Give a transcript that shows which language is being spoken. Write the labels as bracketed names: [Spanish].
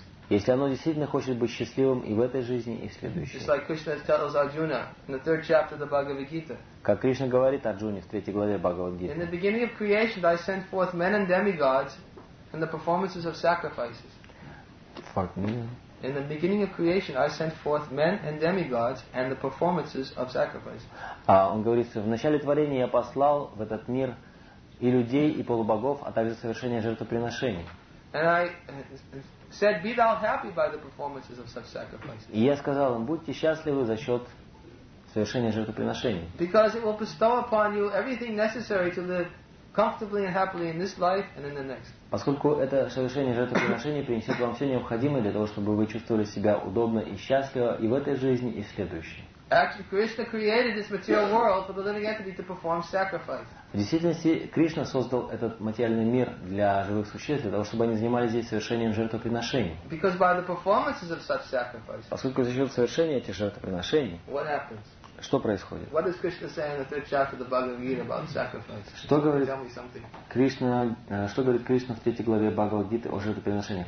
[Russian] Если оно действительно хочет быть счастливым и в этой жизни, и в следующей. Как Кришна говорит Арджуне в третьей главе Бхагавад-гиты. [English] In the beginning of creation, I sent forth men and demigods and the performances of sacrifices. In the beginning of creation, I sent forth men and demigods and the performances of sacrifice. [Russian] Он говорит, в начале творения я послал в этот мир и людей, и полубогов, а также совершение жертвоприношений. [English] And I said, be thou happy by the performances of such sacrifices. [Russian] И я сказал им, будьте счастливы за счет совершения жертвоприношений. [English] Because it will bestow upon you everything necessary to live comfortably and happily in this life and in the next. [Russian] Поскольку это совершение жертвоприношения принесет вам все необходимое для того, чтобы вы чувствовали себя удобно и счастливо и в этой жизни, и в следующей. [English] Actually, Krishna created this material world for the living entity to perform sacrifice. [Russian] В действительности, Кришна создал этот материальный мир для живых существ, для того, чтобы они занимались здесь совершением жертвоприношений. [English] Because by the performances of such sacrifices. [Russian] Поскольку за счет совершения этих жертвоприношений. [English] What happens? [Russian] Что происходит? [English] What does Krishna say in the third chapter of the Bhagavad Gita about sacrifice? [Russian] Что говорит Кришна? Что говорит Кришна в третьей главе Бхагавад Гиты о жертвоприношениях?